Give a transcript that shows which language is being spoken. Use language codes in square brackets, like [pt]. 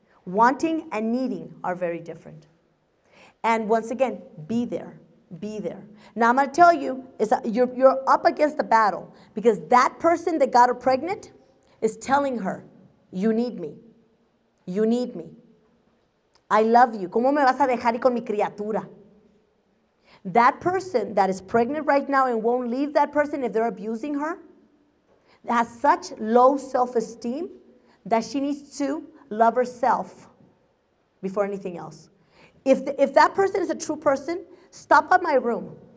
[en] Wanting and needing are very different. And once again, be there. Be there. Now I'm going to tell you, you're up against the battle because that person that got her pregnant is telling her, you need me. You need me. I love you. [es] ¿Cómo me vas a dejar y con mi criatura? [en] That person that is pregnant right now and won't leave that person if they're abusing her, has such low self-esteem that she needs to love herself before anything else. If that person is a true person, stop by my room.